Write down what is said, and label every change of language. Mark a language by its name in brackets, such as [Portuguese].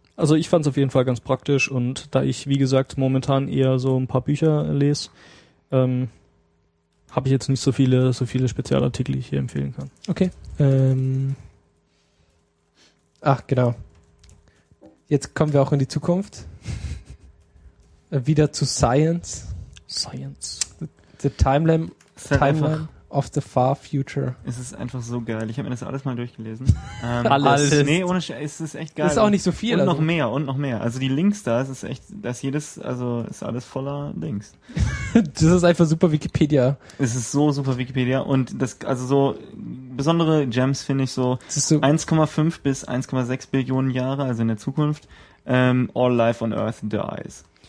[German] Also, ich fand es auf jeden Fall ganz praktisch. Und da ich, wie gesagt, momentan eher so ein paar Bücher lese, habe ich jetzt nicht so viele Spezialartikel, die ich hier empfehlen kann. Okay. Ach, genau. Jetzt kommen wir auch in die Zukunft. Wieder zu Science. Science. [English] The timeline of the far future. [German] Es ist einfach so geil. Ich habe mir das alles mal durchgelesen. alles. Nee, ohne Scheiß, es ist echt geil. Ist auch nicht so viel. Und noch mehr, und noch mehr. Also die Links da, es ist echt, das jedes, also ist alles voller Links. Das ist einfach super Wikipedia. Es ist so super Wikipedia. Und das, also so besondere Gems finde ich so, 1,5 bis 1,6 Billionen Jahre, also in der Zukunft, [English] all life on Earth dies.